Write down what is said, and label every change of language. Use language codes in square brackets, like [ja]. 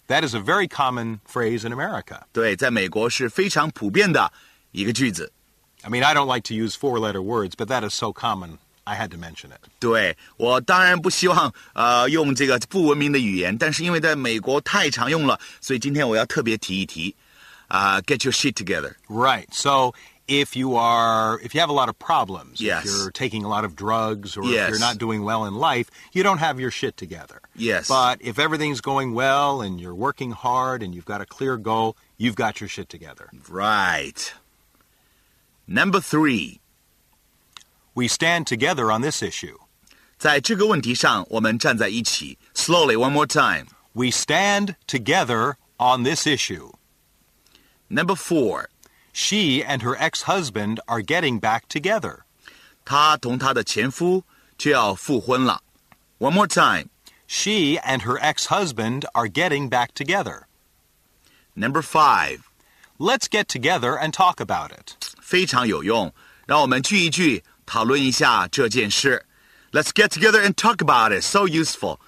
[en] That is a very common phrase in America. [zh] 对，在美国是非常普遍的一个句子。 [en] I mean, I don't like to use four-letter words, but that is so common, I had to mention it. [zh] 对，我当然不希望用这个不文明的语言，但是因为在美国太常用了，所以今天我要特别提一提。 [en] Get your shit together. Right, so if you have a lot of problems,、 yes. if you're taking a lot of drugs, or、 yes. if you're not doing well in life, you don't have your shit together. Yes. But if everything's going well, and you're working hard, and you've got a clear goal, you've got your shit together. Right. Number three. We stand together on this issue. [zh] 在这个问题上我们站在一起。 [en] Slowly, one more time. We stand together on this issue. Number four. She and her ex-husband are getting back together. [zh] 她同她的前夫就要复婚了。 [en] One more time. She and her ex-husband are getting back together. Number five. Let's get together and talk about it. [zh] 非常有用。让我们聚一聚，讨论一下这件事。 [en] Let's get together and talk about it. So useful.